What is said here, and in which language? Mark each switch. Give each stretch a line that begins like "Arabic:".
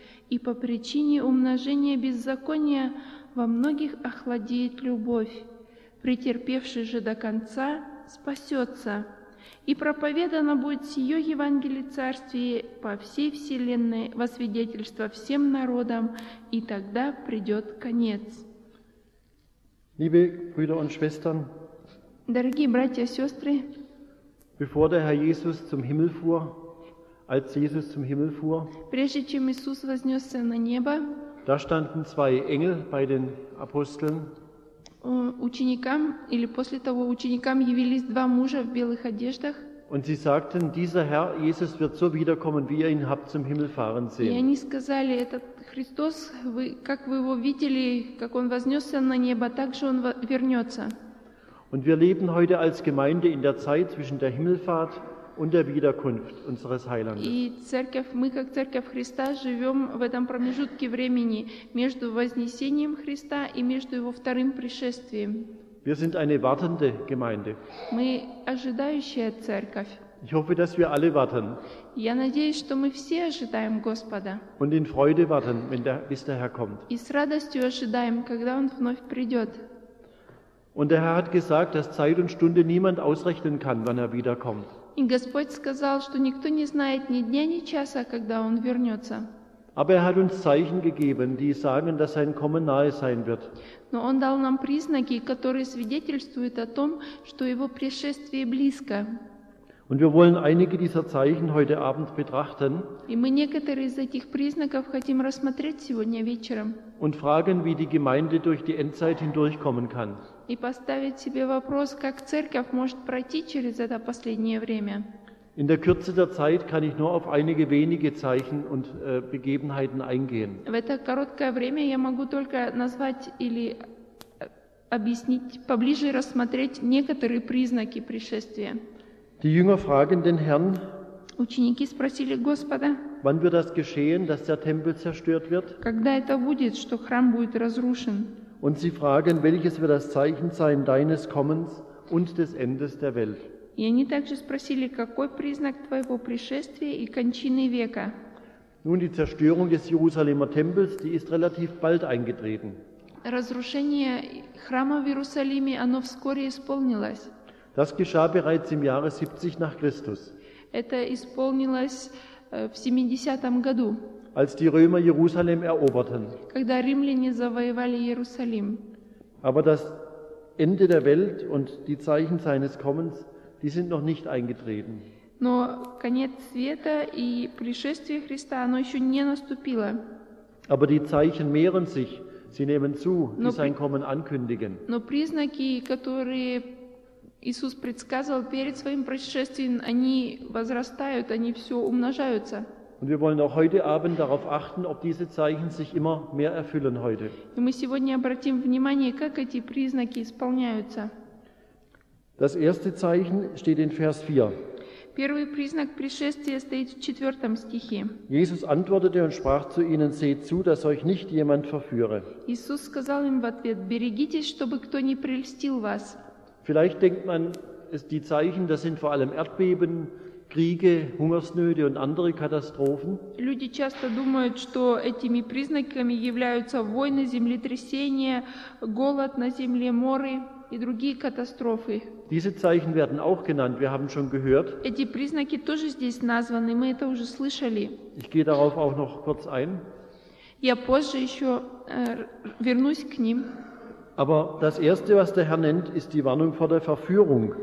Russian: И по причине умножения беззакония во многих охладеет любовь. Претерпевший же до конца спасется. И проповедано будет сие Евангелие Царствие по всей вселенной во свидетельство всем народам, и тогда придет конец».
German: Liebe Brüder und Schwestern,
Russian: дорогие братья и сестры,
German: bevor der Herr Jesus zum Himmel fuhr, als Jesus zum Himmel fuhr,
Russian: прежде чем Иисус вознесся на небо,
German: da standen zwei Engel bei den Aposteln,
Russian: ученикам, или после того ученикам явились два мужа в белых одеждах,
German: und sie sagten, dieser Herr Jesus wird so wiederkommen, wie ihr ihn habt zum Himmel fahren sehen.
Russian: И они сказали, этот Христос, вы, как вы его видели, как он вознесся на небо, так же он вернется.
German: Und wir leben heute als Gemeinde in der Zeit zwischen der Himmelfahrt und der Wiederkunft unseres Heilandes.
Russian: И церковь, мы как церковь Христа живем в этом промежутке времени между вознесением Христа и между его вторым пришествием.
German: Wir sind eine wartende Gemeinde.
Russian: Мы ожидающая церковь.
German: Ich hoffe, dass wir alle warten.
Russian: Я надеюсь, что мы все ожидаем Господа.
German: Und in Freude warten, wenn der, bis der Herr kommt.
Russian: И с радостью ожидаем, когда Он вновь придет.
German: Und der Herr hat gesagt, dass Zeit und Stunde niemand ausrechnen kann, wann er wiederkommt.
Russian: И Господь сказал, что никто не знает ни дня, ни часа, когда Он вернется.
German: Aber er hat uns Zeichen gegeben, die sagen, dass sein Kommen nahe sein wird.
Russian: Но Он дал нам признаки, которые свидетельствуют о том, что Его пришествие близко.
German: Und wir wollen einige dieser Zeichen heute Abend betrachten.
Russian: И мы некоторые из этих признаков хотим рассмотреть сегодня вечером.
German: Und fragen, wie die Gemeinde durch die Endzeit hindurchkommen kann.
Russian: И поставить себе вопрос, как церковь может пройти через это последнее время.
German: In der Kürze der Zeit kann ich nur auf einige wenige Zeichen und Begebenheiten eingehen.
Russian: В это короткое время я могу только назвать или объяснить, поближе рассмотреть некоторые признаки пришествия.
German: Die Jünger fragen den Herrn,
Russian: ученики спросили Господа,
German: wann wird das geschehen, dass der Tempel zerstört wird?
Russian: Когда это будет, что храм будет разрушен?
German: Und sie fragen, welches wird das Zeichen sein deines Kommens und des Endes der Welt?
Russian: И они также спросили, какой признак твоего пришествия и кончины века?
German: Nun, die Zerstörung des Jerusalemer Tempels, die ist relativ bald eingetreten.
Russian: Разрушение храма в Иерусалиме, оно вскоре исполнилось.
German: Das geschah bereits im Jahre 70 nach Christus.
Russian: Это исполнилось в 70-м году.
German: Als die Römer Jerusalem eroberten.
Russian: Когда римляне завоевали Иерусалим.
German: Aber das Ende der Welt und die Zeichen seines Kommens, die sind noch nicht eingetreten.
Russian: Но конец света и пришествие Христа, оно еще не наступило.
German: Aber die Zeichen mehren sich, Sie nehmen zu, die sein Kommen ankündigen.
Russian: Но признаки, которые Иисус предсказывал перед своим пришествием, они возрастают, они все умножаются.
German: Und wir wollen auch heute Abend darauf achten, ob diese Zeichen sich immer mehr erfüllen heute.
Russian: И мы сегодня обратим внимание, как эти признаки исполняются.
German: Das erste Zeichen steht in Vers 4.
Russian: Первый признак пришествия стоит в 4 стихе.
German: Jesus antwortete und sprach zu ihnen: Seht zu, dass euch nicht jemand verführe.
Russian: Иисус сказал им в ответ: Берегитесь, чтобы кто не прельстил вас.
German: Vielleicht denkt man, die Zeichen, das sind vor allem Erdbeben, Kriege, Hungersnöte und andere Katastrophen.
Russian: Люди часто думают, что этими признаками являются войны, землетрясения, голод на земле, моры и другие катастрофы.
German: Diese Zeichen werden auch genannt, wir haben schon gehört.
Russian: Эти признаки тоже здесь названы, мы это уже слышали.
German: Ich gehe darauf auch noch kurz ein.
Russian: Я позже еще вернусь к ним.
German: Aber das Erste, was der Herr nennt, ist die Warnung vor der Verführung.